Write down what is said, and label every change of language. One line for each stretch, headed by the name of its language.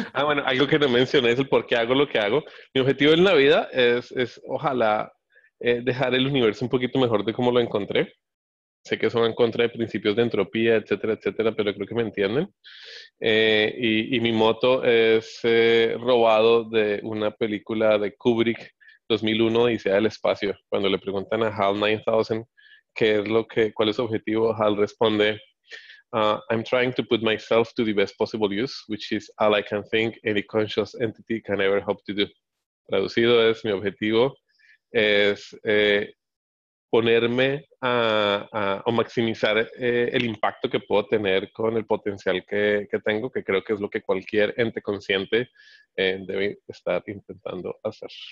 Spanish: Ah, bueno, algo que no mencioné es el por qué hago lo que hago. Mi objetivo en la vida es ojalá dejar el universo un poquito mejor de cómo lo encontré. Sé que son en contra de principios de entropía, etcétera, etcétera, pero creo que me entienden. Y mi moto es robado de una película de Kubrick, 2001, Odisea del Espacio. Cuando le preguntan a HAL 9000 cuál es su objetivo, HAL responde:
English: I'm trying to put myself to the best possible use, which is all I can think any conscious entity can ever hope to do.
Spanish: Traducido es, mi objetivo es ponerme a maximizar el impacto que puedo tener con el potencial que tengo, que creo que es lo que cualquier ente consciente debe estar intentando hacer.